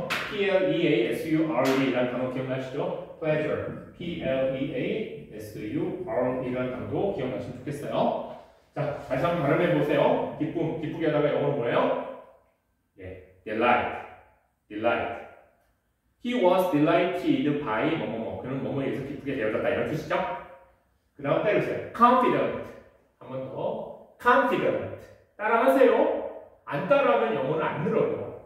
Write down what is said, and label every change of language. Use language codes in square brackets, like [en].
[ko] PLEASURE 라는 단어 기억나시죠? [en] Pleasure. [ko] PLEASURE 라는 단어도 기억나시면 좋겠어요. 자, 다시 한번 발음해보세요. 기쁨, 기쁘게 하다가 영어로 뭐예요? [en] 예. Delight. He was delighted by [ko] 뭐뭐뭐. 그는 뭐뭐에서 기쁘게 되었다. 이런 뜻이죠? 그 다음 때려주세요. Confident. 한번 더. Confident. 따라하세요. 안 따라하면 영어는 안 늘어요.